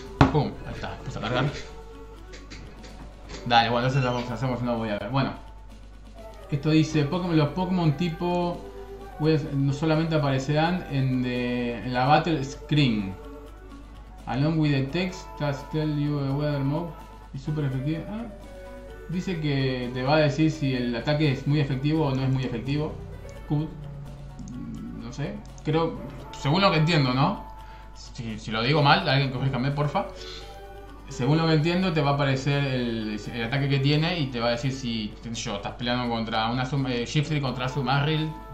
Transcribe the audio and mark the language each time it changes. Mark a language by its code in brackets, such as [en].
[es] Pum, ahí está, puse a cargar. Dale, bueno, entonces hacemos una Voyager. Bueno, esto dice, los Pokémon tipo no solamente aparecerán en la Battle Screen. [en] Along with the text, that tell you the weather mode. [es] Es súper efectivo. Ah, dice que te va a decir si el ataque es muy efectivo o no es muy efectivo. Good. No sé, creo, según lo que entiendo, ¿no? Si lo digo mal, alguien corríjame, porfa. Según lo que entiendo, te va a aparecer el ataque que tiene y te va a decir si yo estás peleando contra una Shiftry contra Sumarill.